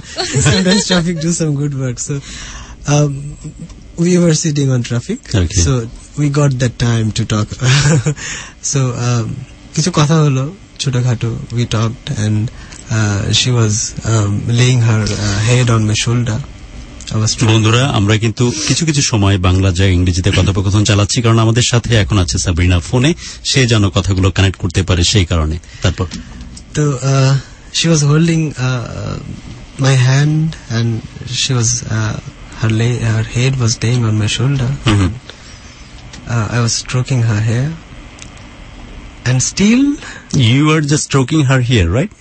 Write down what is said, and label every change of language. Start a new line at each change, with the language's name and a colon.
English: Sometimes traffic do some good work. So, we were sitting on traffic. Okay. So, we got that time to talk. So, kichu kotha holo. We talked and she was laying her head on my shoulder.
Bangla: বন্ধুরা, আমরা কিন্তু কিছু কিছু সময় বাংলা যা ইংরেজিতে কথোপকথন চালাচ্ছি, কারণ আমাদের সাথে এখন আছে সাবরিনা ফোনে, সে যেন কথাগুলো কানেক্ট করতে পারে সেই কারণে। তারপর
English: তো she was holding my hand and she was her head was laying on my shoulder. Mm-hmm. I was stroking her hair. And still, you were just stroking her hair, right?